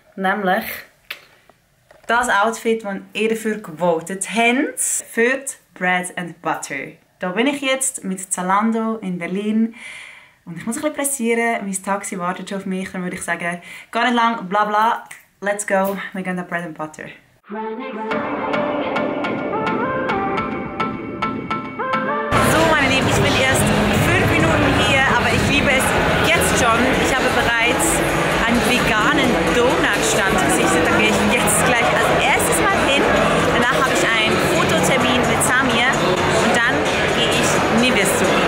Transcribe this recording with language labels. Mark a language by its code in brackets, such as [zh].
[de] Nämlich das Outfit, das ihr dafür gewotet habt. Für Bread and Butter. Da bin ich jetzt mit Zalando in Berlin. Und ich muss ein bisschen pressieren, mein Taxi wartet schon auf mich. Dann würde ich sagen, gar nicht lang, bla bla. [en] Let's go, we're gonna bread and butter. [de] So, meine Lieben, ich bin erst 5 Minuten hier, aber ich liebe es jetzt schon. Ich habe bereits einen veganen Donutstand gesichtet. Da gehe ich jetzt gleich als erstes mal hin. Danach habe ich einen Fototermin mit Samir und dann gehe ich Nivis zu.